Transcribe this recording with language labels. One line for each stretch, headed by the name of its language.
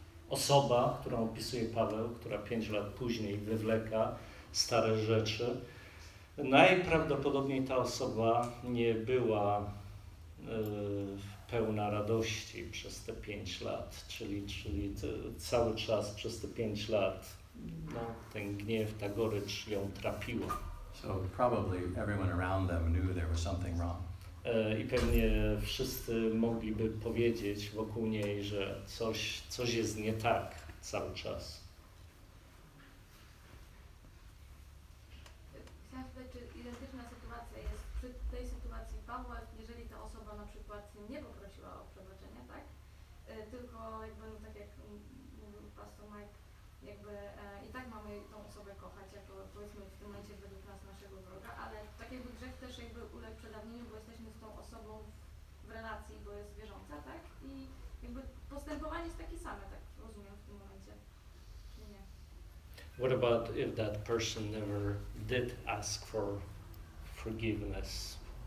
Polish: Osoba, którą opisuje Paweł, która 5 lat później wywleka stare rzeczy, najprawdopodobniej ta osoba nie była pełna radości przez te 5 lat, czyli cały czas przez te 5 lat no, ten gniew, ta gorycz ją trapiła.
English: So probably everyone around them knew there was something wrong.
Polish: I pewnie wszyscy mogliby powiedzieć wokół niej, że coś jest nie tak cały czas. Chciałam spytać, czy identyczna sytuacja jest przy tej sytuacji Pawła, jeżeli ta osoba na przykład nie poprosiła o przebaczenie, tak? Tylko jakby, no, tak jak mówił pastor Mike, jakby i tak mamy tą osobę kochać, jako powiedzmy w tym momencie według nas naszego wroga, ale tak jakby grzech też jakby uległ przedawnieniu, bo jesteśmy w relacji, bo jest wierząca, tak? I jakby postępowanie jest takie same, tak rozumiem w tym momencie. Nie.
English: What about if that person never did ask for forgiveness?